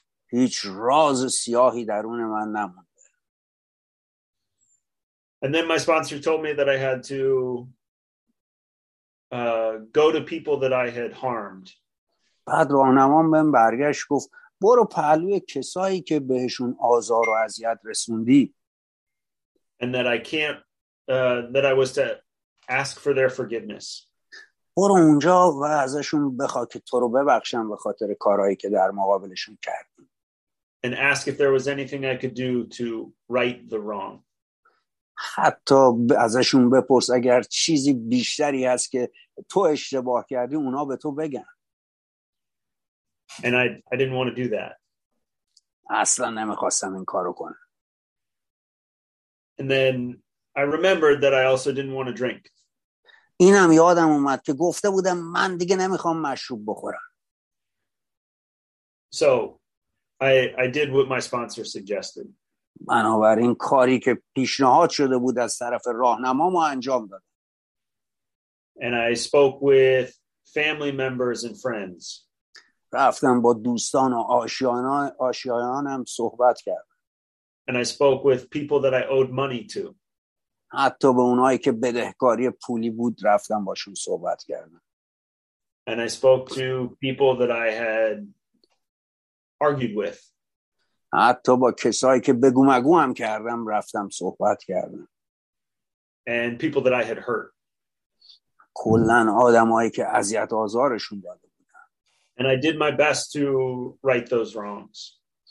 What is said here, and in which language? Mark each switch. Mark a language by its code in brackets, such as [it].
[fa] هیچ راز سیاهی درون من نمونده. [en] And then my sponsor told me that I had to go to people that I had harmed. [fa] بعد راهنمام بهم برگشت گفت برو پهلوی کسایی که بهشون آزار و اذیت رسوندی. [en] And that I can't that I was to ask for their forgiveness. [fa] برو اونجا و ازشون بخوا که تو رو ببخشن به خاطر کارهایی که در مقابلشون کردی. [en] And ask if there was anything I could do to right the wrong. [fa] حتی ازشون بپرس اگر چیزی بیشتری هست که تو اشتباه کردی اونا به تو بگن. [en] And I didn't want to do that. [fa] اصلا نمیخواستم این کارو کنم. [en] And then I remembered that I also didn't want to drink. [fa] اینم یادم اومد که گفته بودم من دیگه نمیخوام مشروب بخورم. [en] So I did what my sponsor suggested. [fa] بنابراین کاری که پیشنهاد شده بود از طرف راهنمامو انجام دادم. [en] And I spoke with family members and friends. [fa] رفتم با دوستان و آشنایانم صحبت کردم. [en] And I spoke with people that I owed money to. [fa] حتی به اونایی که بدهکاری پولی بود رفتم باشون صحبت کردم. [en] And I spoke to people that I had argued with. [fa] حتی با کسایی که بگو مگو هم کردم رفتم صحبت کردم. [en] And people that I had hurt. [fa] کلن آدمایی که اذیت آزارشون داده بودم. [en] And I did my best to right those wrongs.